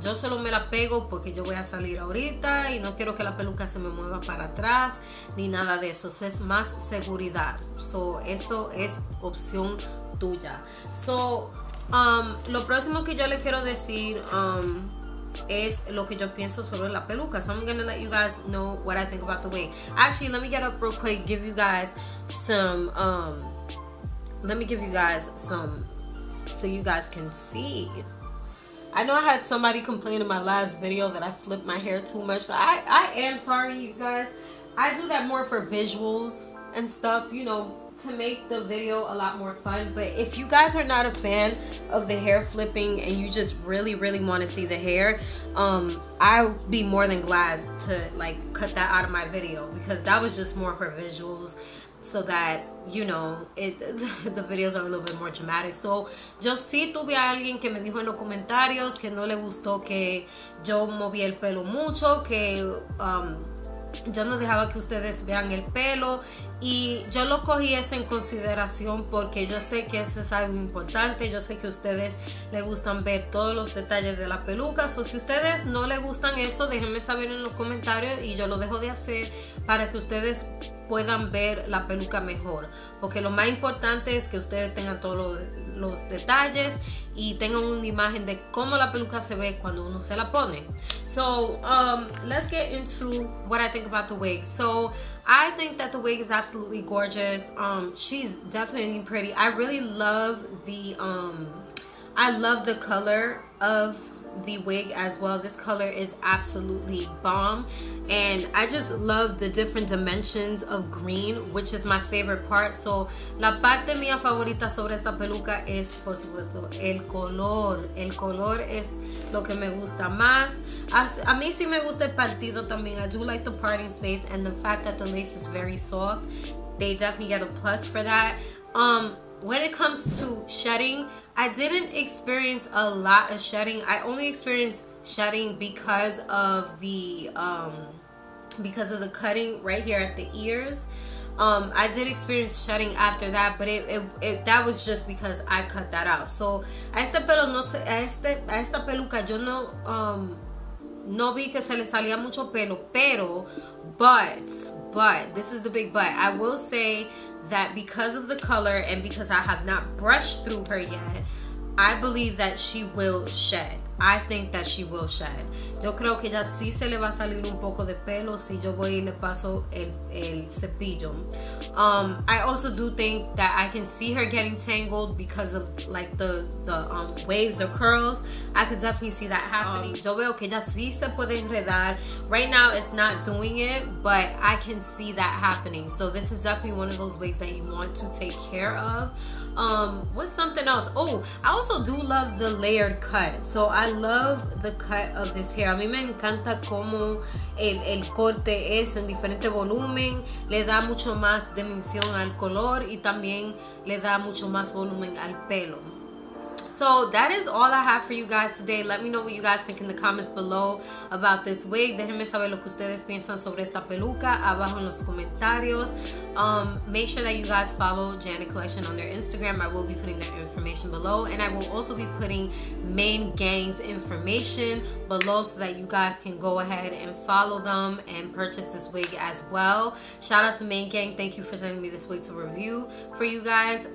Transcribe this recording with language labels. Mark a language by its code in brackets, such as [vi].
[es] Yo solo me la pego porque yo voy a salir ahorita y no quiero que la peluca se me mueva para atrás ni nada de eso. Eso es más seguridad. So, eso es opción tuya. So, lo próximo que yo le quiero decir es lo que yo pienso sobre la peluca. [en] So, I'm gonna let you guys know what I think about the wig. Actually, let me get up real quick, give you guys some... let me give you guys some so you guys can see. I know I had somebody complain in my last video that I flipped my hair too much. So I am sorry, you guys. I do that more for visuals and stuff, you know, to make the video a lot more fun. But if you guys are not a fan of the hair flipping and you just really, really want to see the hair, I'll be more than glad to like cut that out of my video because that was just more for visuals. So that, you know, the videos are a little bit more dramatic. [es] So, yo sí tuve a alguien que me dijo en los comentarios que no le gustó que yo moví el pelo mucho, que yo no dejaba que ustedes vean el pelo. Y yo lo cogí eso en consideración porque yo sé que eso es algo importante. Yo sé que a ustedes les gustan ver todos los detalles de la peluca. O so, si ustedes no les gustan eso, déjenme saber en los comentarios y yo lo dejo de hacer para que ustedes puedan ver la peluca mejor, porque lo más importante es que ustedes tengan todos los detalles y tengan una imagen de cómo la peluca se ve cuando uno se la pone. [en] So, let's get into what I think about the wig. So, I think that the wig is absolutely gorgeous. She's definitely pretty. I really love the color of the wig as well. This color is absolutely bomb. And I just love the different dimensions of green, which is my favorite part. [es] So, la parte mía favorita sobre esta peluca es, por supuesto, el color. El color es lo que me gusta más. A mí sí me gusta el partido también. [en] I do like the parting space and the fact that the lace is very soft. They definitely get a plus for that. When it comes to shedding, I didn't experience a lot of shedding. I only experienced shedding because of the cutting right here at the ears. I did experience shedding after that, but that was just because I cut that out. [es] So a esta peluca yo no no vi que se le salía mucho pelo, [en] but this is the big but. I will say that because of the color and because I have not brushed through her yet, I believe that she will shed. I think that she will shed. [es] Yo creo que ya sí se le va a salir un poco de pelo si yo voy y le paso el cepillo. [en] I also do think that I can see her getting tangled because of like the waves or curls. I could definitely see that happening. [es] Yo veo que ya sí se puede enredar. [en] Right now it's not doing it, but I can see that happening. So this is definitely one of those wigs that you want to take care of. What's something else? Oh, I also do love the layered cut. So I love the cut of this hair. [es] A mí me encanta cómo el corte es en diferente volumen. Le da mucho más dimensión al color y también le da mucho más volumen al pelo. [en] So that is all I have for you guys today. Let me know what you guys think in the comments below about this wig. [es] Déjenme saber lo que ustedes piensan sobre esta peluca abajo en los comentarios. [en] Make sure that you guys follow Janet Collection on their Instagram. I will be putting their information below. And I will also be putting Main Gang's information below so that you guys can go ahead and follow them and purchase this wig as well. Shout out to Main Gang. Thank you for sending me this wig to review for you guys.